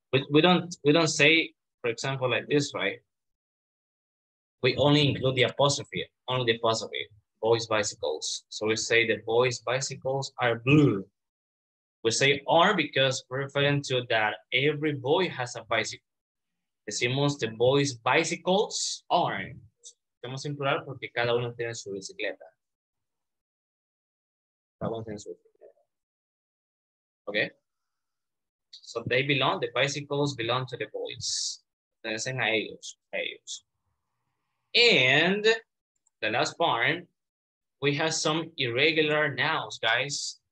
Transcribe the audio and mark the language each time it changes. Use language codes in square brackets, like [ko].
[en] We don't say, for example, like this, right? We only include the apostrophe, only the apostrophe, boys' bicycles. So we say the boys' bicycles are blue. We say are because we're referring to that every boy has a bicycle. [es] Decimos [en] the boys' bicycles are. [es] Estamos en plural porque cada uno tiene su bicicleta. [en] Okay, so they belong, the bicycles belong to the boys. [es] Pertenecen a ellos. [en] And the last part, we have some irregular nouns, guys.